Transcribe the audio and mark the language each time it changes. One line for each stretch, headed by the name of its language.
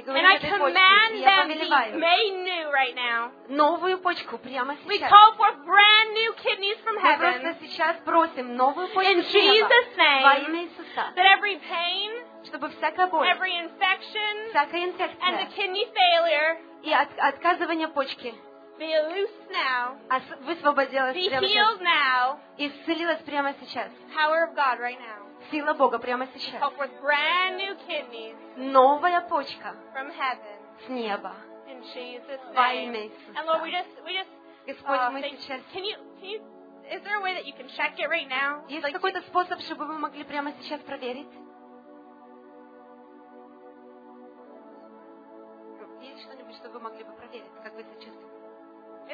English: and I command them to be made new right now.
Russian: Новую почку прямо сейчас.
English: We call for brand new kidneys from heaven.
Russian: Мы просто сейчас просим новую почку
English: in Jesus' name,
Russian: во имя Иисуса,
English: that every pain,
Russian: чтобы всякая боль,
English: every infection,
Russian: всякая инфекция,
English: and the kidney failure,
Russian: и отказывание почки,
English: be loose now,
Russian: высвободилась
English: be
Russian: прямо
English: healed
Russian: сейчас,
English: now,
Russian: исцелилась прямо сейчас,
English: power of God right now.
Russian: Сила Бога прямо сейчас.
English: Help with brand new kidneys,
Russian: новая почка
English: from heaven,
Russian: с неба.
English: In Jesus' name. And Lord,
Russian: Господь, мы сейчас,
English: is there a way that you can check it right now?
Russian: Есть like, какой-то способ, чтобы мы могли прямо сейчас проверить? Есть что-нибудь, что вы могли бы проверить, как вы себя чувствуете?